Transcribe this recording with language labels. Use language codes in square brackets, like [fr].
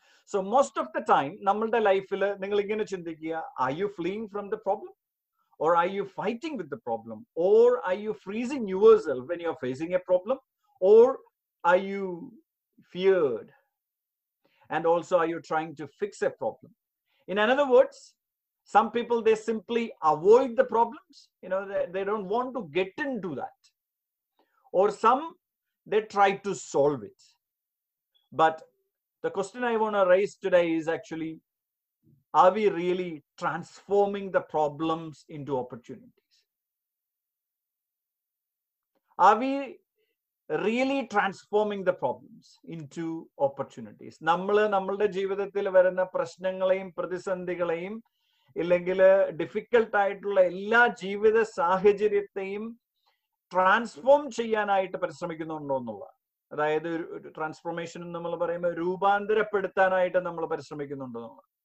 [en] so most of the time [ml] നമ്മളുടെ ലൈഫിൽ നിങ്ങൾ ഇങ്ങനെ ചിന്തിക്കുക, [en] Are you fleeing from the problem, or are you fighting with the problem, or are you freezing yourself when you are facing a problem, or are you feared and also are you trying to fix a problem. In another words, some people, they simply avoid the problems, you know, they don't want to get into that, or some, they try to solve it. But the question I want to raise today is actually, are we really transforming the problems into opportunities? Are we really transforming the problems into opportunities? [ml] Nammale nammalde jeevithathil varuna prashnangaleyum prathisandhigaleyum, ഇല്ലെങ്കിൽ difficult ആയിട്ടുള്ള എല്ലാ ജീവിത സാഹചര്യത്തെയും transform ചെയ്യാനായിട്ട് പരിശ്രമിക്കുന്നുണ്ടോ എന്നുള്ള, അതായത് transformation എന്ന് നമ്മൾ പറയുമ്പോൾ രൂപാന്തരപ്പെടുത്താനായിട്ട് നമ്മൾ പരിശ്രമിക്കുന്നുണ്ടോ എന്നുള്ള.